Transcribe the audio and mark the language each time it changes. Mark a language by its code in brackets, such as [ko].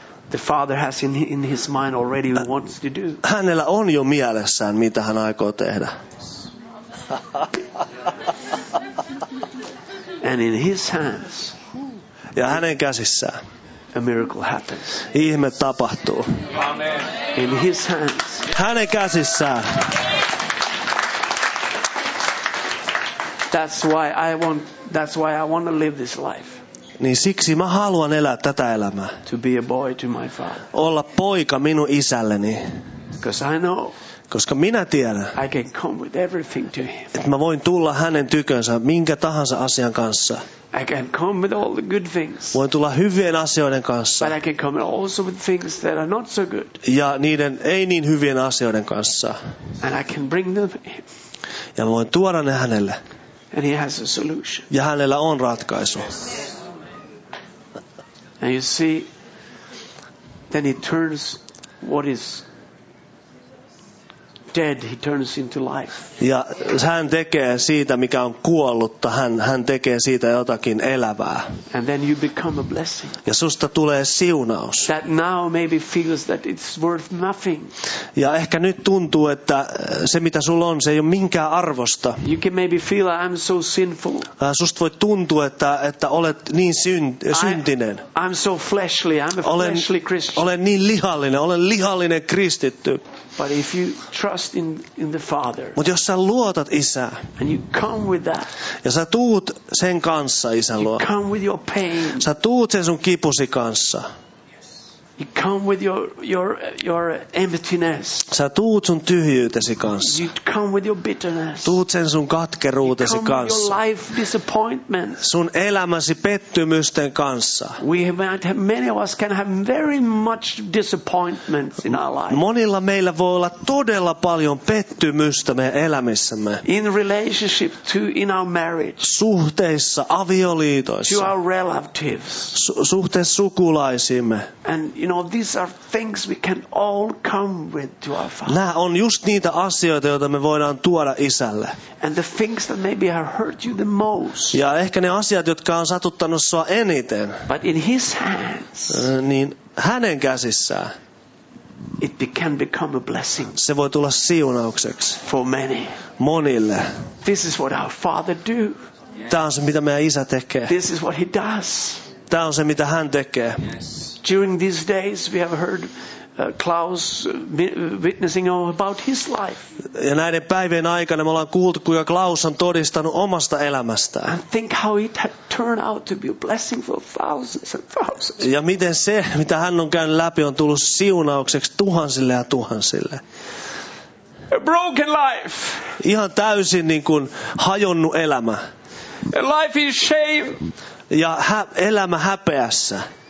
[en] The father has in his mind already what he wants to do. [fi] Hänellä on jo mielessään, mitä hän aikoo tehdä. [en] And in his hands. [fi] Ja hänen käsissään. [en] A miracle happens. [fi] Ihme tapahtuu. [en] Amen. In his hands. [fi] Hänen käsissään. [en] That's why I want to live this life. [fi] Niin siksi mä haluan elää tätä elämää. [en] To be a boy to my father. [fi] Olla poika minun isälleni. [en] Because I know. [fi] Koska minä tiedän. [en] I can come with everything to him. [fi] Että mä voin tulla hänen tykönsä minkä tahansa asian kanssa. [en] I can come with all the good things. [fi] Voin tulla hyvien asioiden kanssa. [en] But I can come also with things that are not so good. [fi] Ja niiden ei niin hyvien asioiden kanssa. [en] And I can bring them. [fi] Ja voin tuoda ne hänelle. [en] And he has a solution. [fi] Ja hänellä on ratkaisu. [en] And you see, then he turns what is dead, he turns into life. [fi] Ja hän tekee siitä, mikä on kuollutta, hän tekee siitä jotakin elävää. [en] And then you become a blessing. [fi] Ja susta tulee siunaus. [en] That now maybe feels that it's worth nothing. [fi] Ja ehkä nyt tuntuu, että se mitä sulla on, se ei ole minkään arvosta. [en] You can maybe feel I'm so sinful. [fi] Susta voi tuntua, että olet niin syntinen. [en] I'm so fleshly, I'm a fleshly Christian. [fi] Olen niin lihallinen, olen lihallinen kristitty. [en] But if you trust in the Father. [fi] Mut jos sä luotat isää. [en] And you come with that. [fi] Ja sä tuut sen kanssa isän luo. [en] You come with your pain. [fi] Sä tuut sen sun kipusi kanssa. [en] Yes. You come with your emptiness. [fi] Sä tuut sun tyhjyytesi kanssa. [en] You come with your bitterness. [fi] Tuut sen sun katkeruutesi [en] you come [fi] kanssa. [en] With your life disappointment. [fi] Sun elämäsi pettymysten kanssa. [en] Many of us can have very much disappointments in our life. [fi] Monilla meillä voi olla todella paljon pettymystä meidän elämissämme. [en] In relationship to in our marriage. [fi] Suhteissa, avioliitoissa. [en] To our relatives. [fi] Suhteessa sukulaisiimme. [en] And you know these are things we can all come with to our Father. [fi] Nämä on just niitä asioita, joita me voidaan tuoda isälle. [en] And the things that maybe have hurt you the most. [fi] Ja ehkä ne asiat, jotka on satuttanut sua eniten. [en] But in his hands. [fi] Niin hänen käsissään. [en] It can become a blessing. [fi] Se voi tulla siunaukseksi. [en] For many. [fi] Monille. [en] This is what our Father do. [fi] Tämä on se, mitä meidän isä tekee. [en] This is what he does. [fi] Tämä on se, mitä hän tekee. [en] Yes. during these days we have heard Klaus witnessing about his life. [fi] Ja näiden päivien aikana me ollaan kuultu, kuinka Klaus on todistanut omasta elämästään. [en] And think how it had turned out to be a blessing for thousands and thousands. [fi] Ja miten se, mitä hän on käynyt läpi, on tullut siunaukseksi tuhansille ja tuhansille. [en] A broken life. [fi] Ihan täysin niin kuin hajonnut elämä. [en] A life in shame. [fi] Ja elämä häpeässä.